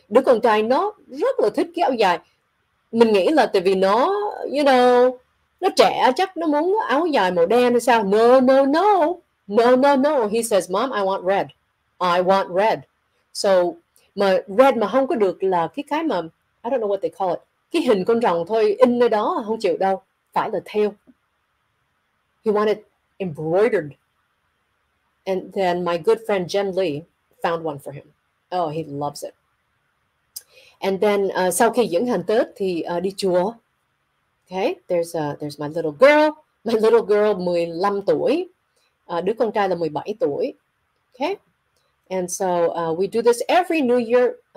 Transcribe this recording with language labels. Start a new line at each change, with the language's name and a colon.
Vietnamese: Đứa con trai nó rất là thích cái áo dài. Mình nghĩ là tại vì nó,
English: you know,
Vietnamese: nó trẻ, chắc nó muốn áo dài màu đen hay sao.
English: No. He says, Mom, I want red. So
Vietnamese: mà red mà không có được là cái mà
English: I don't know what they call it,
Vietnamese: cái hình con rồng thôi in nơi đó không chịu đâu, phải là theo.
English: He wanted embroidered, and then my good friend Jen Lee found one for him. Oh, he loves it. And then
Vietnamese: sau khi diễn hành Tết thì đi chùa.
English: Okay, there's my little girl. My little girl
Vietnamese: 15 tuổi. Đứa con trai là 17 tuổi.
English: Okay? And so we do this every New Year.